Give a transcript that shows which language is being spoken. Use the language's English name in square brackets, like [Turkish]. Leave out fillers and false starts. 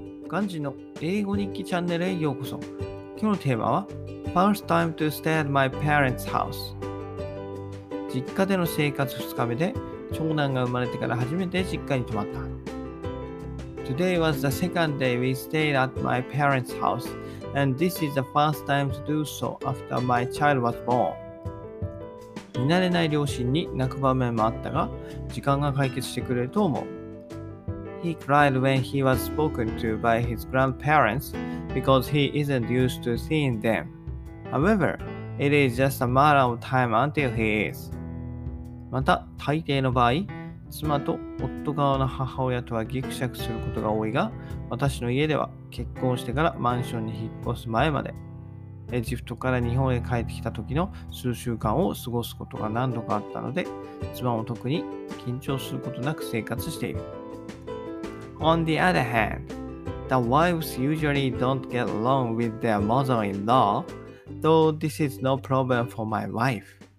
[Japanese] ガンジの英語日記チャンネルへようこそ。今日のテーマは [English] First time to stay at my parents' house。 [Japanese] 実家での生活2日目で、長男が生まれてから初めて実家に泊まった。 [English] Today was the second day we stayed at my parents' house and this is the first time to do so after my child was born。 [Japanese] 見慣れない両親に泣く場面もあったが、時間が解決してくれると思う。 [English] He cried when he was spoken to by his grandparents because he isn't used to seeing them. However, it is just a matter of time until he is. [Japanese] また、大抵の場合、妻と夫側の母親とはギクシャクすることが多いが、私の家では結婚してからマンションに引っ越す前まで、エジプトから日本へ帰ってきた時の数週間を過ごすことが何度かあったので、妻も特に緊張することなく生活している。 [English] On the other hand, the wives usually don't get along with their mother-in-law, though this is no problem for my wife.